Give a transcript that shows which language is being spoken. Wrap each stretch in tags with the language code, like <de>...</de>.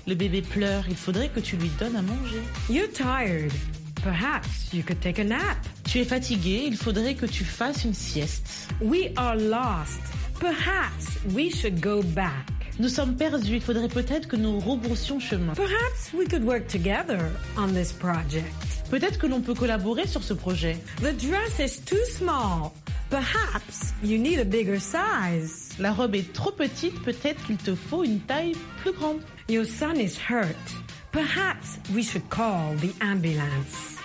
<fr>Le bébé pleure, il faudrait que tu lui donnes à manger.</fr> <en>You're tired. Perhaps you could take a nap.</en> <fr>Tu es fatigué, il faudrait que tu fasses une sieste.</fr> <en>We are lost. Perhaps we should go back.</en> <fr>Nous sommes perdus, il faudrait peut-être que nous rebroussions chemin.</fr> <en>Perhaps we could work together on this project.</en> <fr>Peut-être que l'on peut collaborer sur ce projet.</fr> <en>The dress is too small. Perhaps you need a bigger size.</en> <fr>La robe est trop petite, peut-être qu'il te faut une taille plus grande.</fr> <en>Your son is hurt. Perhaps we should call the ambulance.</en>